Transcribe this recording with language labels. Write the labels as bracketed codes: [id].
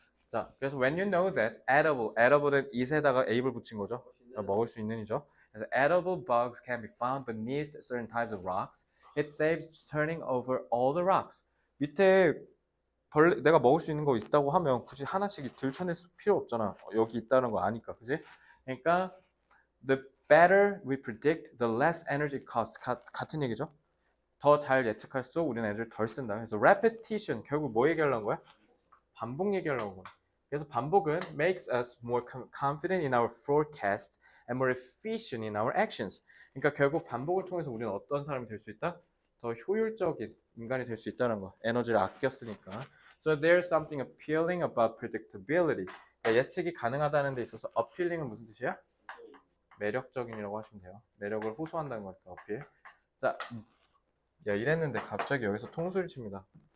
[ko] 자, 그래서 [en] when you know that edible, [ko] edible은 it에다가 able 붙인 거죠. 먹을 수 있는이죠. 그래서 [en] edible bugs can be found beneath certain types of rocks. It saves turning over all the rocks. [ko] 밑에 벌레, 내가 먹을 수 있는 거 있다고 하면 굳이 하나씩 들춰낼 필요 없잖아. 여기 있다는 거 아니까, 그지? 그러니까 [en] the better we predict, the less energy costs. [ko] 같은 얘기죠. 더 잘 예측할수록 우리는 에너지를 덜 쓴다. 그래서 repetition, 결국 뭐 얘기하려는 거야? 반복 얘기하려는 거야. 그래서 반복은 [en] makes us more confident in our forecast and more efficient in our actions. [ko] 그러니까 결국 반복을 통해서 우리는 어떤 사람이 될 수 있다? 더 효율적인 인간이 될 수 있다는 거. 에너지를 아꼈으니까. [en] So there's something appealing about predictability. [ko] 그러니까 예측이 가능하다는 데 있어서 appealing은 무슨 뜻이야? 매력적인이라고 하시면 돼요. 매력을 호소한다는 거니까 어필. 자, 야 이랬는데 갑자기 여기서 통수를 칩니다.